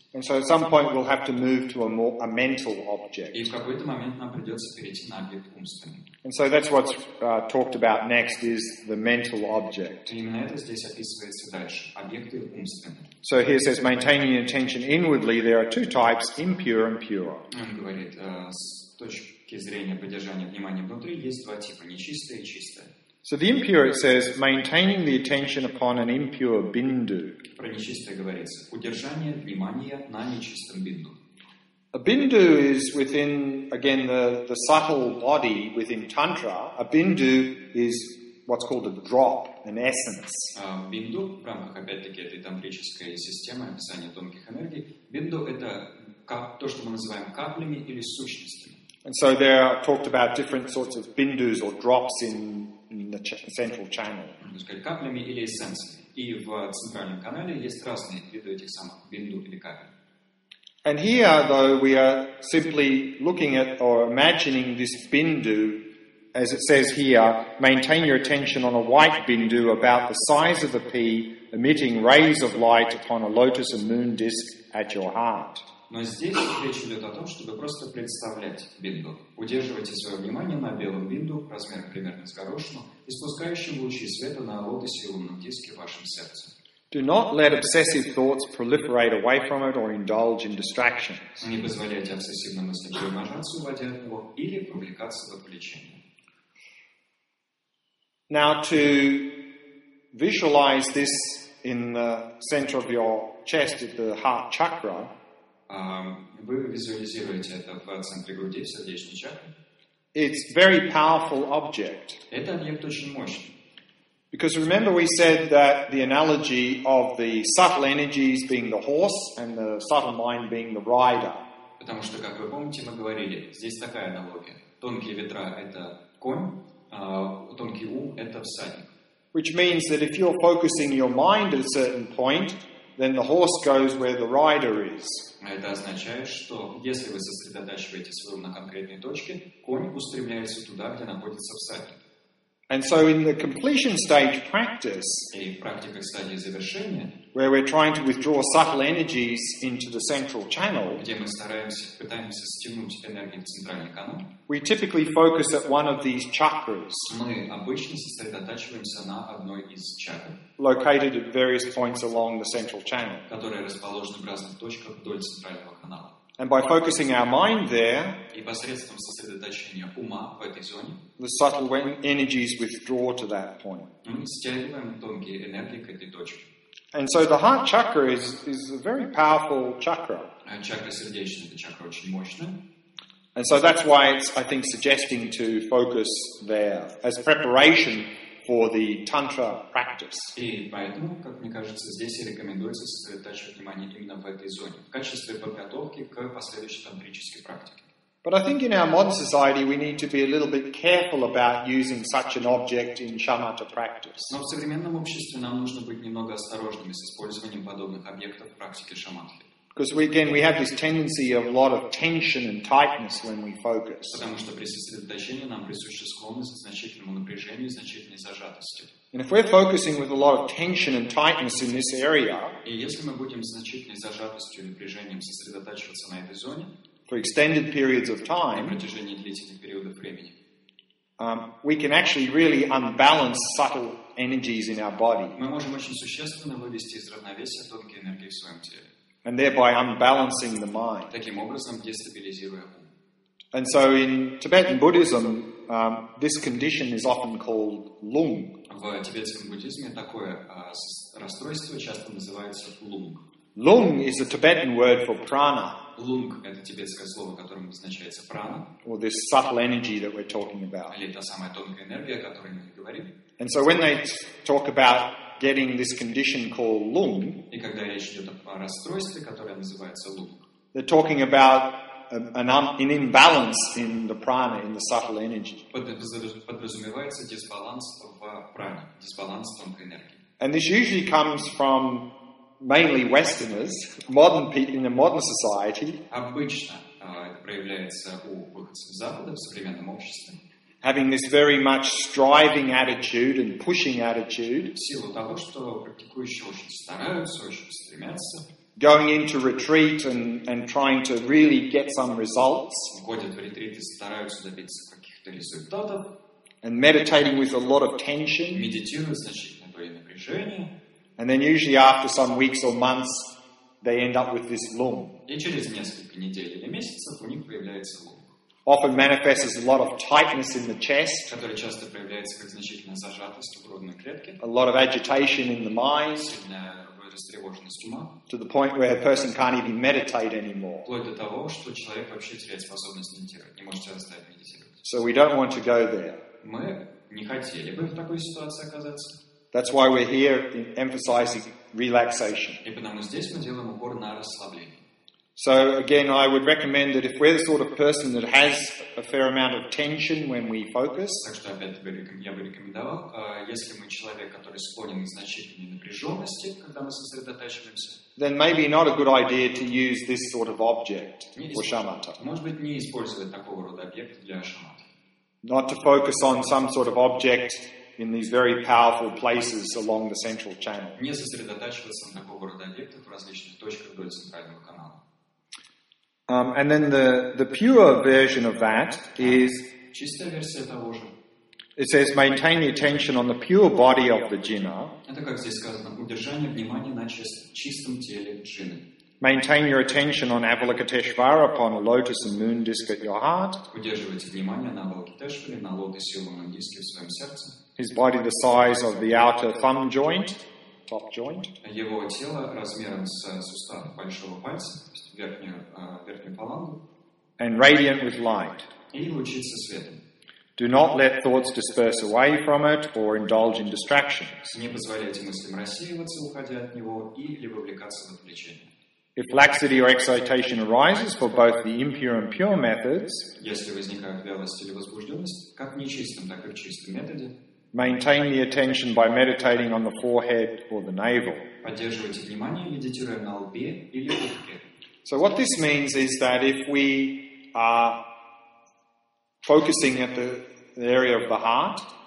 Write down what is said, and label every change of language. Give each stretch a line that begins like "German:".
English: And so at some point we'll have to move to a mental object.
Russian: И в какой-то момент нам придется перейти на объект умственный.
English: And so that's what's talked about next is the mental object.
Russian: И именно это здесь описывается дальше. Объекты умственные.
English: So here says, maintaining attention inwardly, there are two types, impure and pure.
Russian: Он говорит, с точки зрения поддержания внимания внутри есть два типа: нечистое и чистое.
English: So the impure, it says, maintaining the attention upon an impure bindu.
Russian: Про нечистое говорится: удержание внимания на нечистом бинду.
English: A bindu is within, again, the subtle body within tantra. A bindu is what's called a drop, an essence.
Russian: Бинду в рамках опять-таки этой тантрической системы описания тонких энергий. Бинду — это то, что мы называем каплями или сущностями.
English: And so there are talked about different sorts of bindus or drops in the central channel.
Russian: Каплями или эссенциями. И в центральном канале есть разные виды этих самых бинду или капель.
English: And here, though, we are simply looking at or imagining this bindu, as it says here, maintain your attention on a white bindu about the size of a pea, emitting rays of light upon a lotus and moon disc at your heart.
Russian: Но здесь речь идет о том, чтобы просто представлять бинду. Удерживайте свое внимание на белом бинду, размер примерно с горошину, испускающем лучи света на лотосе и лунном диске в вашем сердце.
English: Do not let obsessive thoughts proliferate away from it or indulge in distractions.
Russian: Не позволяйте обсессивным мыслям приумножаться, уводя от него или вовлекаться в отвлечение.
English: Now to visualize this in the center of your chest at the heart chakra.
Russian: Вы визуализируете это в центре груди, в сердечной чакре.
English: It's very powerful object.
Russian: Это объект очень мощный.
English: Because remember we said that the analogy of the subtle energies being the horse and the subtle mind being the rider.
Russian: Потому что, как вы помните, мы говорили, здесь такая аналогия. Тонкие ветра — это конь, тонкий ум — это всадник.
English: Which means that if you're focusing your mind at a certain point, then the horse goes where the rider is.
Russian: Это означает, что если вы сосредотачиваете свой ум на конкретной точке, конь устремляется туда, где находится всадник.
English: And so in the completion stage practice,
Russian: и в практиках стадии завершения,
English: where we're trying to withdraw subtle energies into the central channel,
Russian: где мы пытаемся стянуть энергию в центральный канал,
English: we typically focus at one of these chakras.
Russian: Мы обычно сосредотачиваемся на одной из чакр,
English: located at various points along the central channel,
Russian: которая расположена в разных точках вдоль центрального канала.
English: And by focusing our mind there,
Russian: и посредством сосредоточения ума в этой зоне,
English: the subtle energies withdraw to that point.
Russian: Мы стягиваем тонкие энергии к этой точке.
English: And so the heart chakra is a very powerful chakra.
Russian: Чакра сердечная, это чакра очень мощная.
English: And so that's why it's, I think, suggesting to focus there as preparation for the tantra practice.
Russian: И поэтому, как мне кажется, здесь и рекомендуется сосредоточить внимание именно в этой зоне в качестве подготовки к последующей тантрической практике.
English: But I think in our modern society we need to be a little bit careful about using such an object in shamatha practice.
Russian: Но в современном обществе нам нужно быть немного осторожными с использованием подобных объектов в практике шаманхи.
English: Because we have this tendency of a lot of tension and tightness when we focus.
Russian: Потому что при сосредоточении нам присуща склонность к значительному напряжению, значительной зажатости.
English: And if we're focusing with a lot of tension and tightness in this area,
Russian: и если мы будем с значительной зажатостью и напряжением сосредотачиваться на этой зоне,
English: for extended periods of time,
Russian: на протяжении длительных периодов времени,
English: we can actually really unbalance subtle energies in our body.
Russian: Мы можем очень существенно вывести из равновесия тонкие энергии в своем теле.
English: And thereby unbalancing the mind.
Russian: Таким образом, дестабилизируя ум.
English: And so in Tibetan Buddhism, this condition is often called lung.
Russian: В тибетском буддизме такое расстройство часто называется lung.
English: Lung is a Tibetan word for prana.
Russian: Lung – это тибетское слово, которым обозначается прана.
English: Or this subtle energy that we're talking about.
Russian: Или та самая тонкая энергия, о которой мы говорим.
English: And so when they talk about getting this condition called lung,
Russian: и когда речь идет о расстройстве, которое называется lung,
English: they're talking about an imbalance in the prana, in the subtle energy.
Russian: Подразумевается дисбаланс в пране, дисбаланс тонкой энергии.
English: And this usually comes from mainly Westerners, modern people in the modern society.
Russian: Обычно это проявляется у выходцев Запада в современном обществе.
English: Having this very much striving attitude and pushing attitude.
Russian: В силу того, что практикующие очень стараются, очень стремятся.
English: Going into retreat and trying to really get some results.
Russian: Входят в ретрит и стараются добиться каких-то результатов.
English: And meditating with a lot of tension.
Russian: Медитируют значительное боевое напряжение.
English: And then usually after some weeks or months, they end up with this lung.
Russian: И через несколько недель или месяцев у них появляется лунг.
English: Often manifests as a lot of tightness in the chest,
Russian: которая часто проявляется как значительная зажатость в грудной клетке,
English: a lot of agitation in the mind,
Russian: сильная растревоженность ума,
English: to the point where a person can't even meditate anymore,
Russian: вплоть до того, что человек вообще теряет способность медитировать, не может оставить медитировать.
English: So we don't want to go there.
Russian: Мы не хотели бы в такой ситуации оказаться.
English: That's why we're here in emphasizing relaxation.
Russian: И потому здесь мы делаем упор на расслабление.
English: So again, I would recommend that if we're the sort of person that has a fair amount of tension when we focus,
Russian: так что я бы рекомендовал, если мы человек, который склонен к значительной напряженности, когда мы сосредотачиваемся,
English: then maybe not a good idea to use this sort of object for shamatha.
Russian: Может быть, не использовать такого рода объект для шаматы.
English: Not to focus on some sort of object in these very powerful places along the central channel.
Russian: Не сосредотачиваться на такого рода объектах в различных точках вдоль центрального канала.
English: And then the pure version of that is,
Russian: чистая версия того же.
English: It says maintain the attention on the pure body of the jhana.
Russian: Это как здесь сказано, удержание внимания на чистом теле джины.
English: Maintain your attention on Avalokiteshvara upon a lotus and moon disc at your heart.
Russian: Удерживайте внимание на Авалокитешваре, на лотосе и лунном диске в своем сердце.
English: His body the size of the outer thumb joint, top joint.
Russian: Его тело размером с сустав большого пальца. Верхнюю фалангу,
English: and radiant with light.
Russian: И лучится светом.
English: Do not let thoughts disperse away from it or indulge in distractions.
Russian: Не позволяйте мыслям рассеиваться, уходя от него, или вовлекаться в отвлечение.
English: If laxity or excitation arises for both the impure and pure methods,
Russian: если возникает вялость или возбужденность, как в нечистом, так и в чистом методе,
English: maintain the attention by meditating on the forehead or the navel.
Russian: Поддерживайте внимание, медитируя на лбе или ухе.
English: So what this means is that if we are focusing at the area of the heart,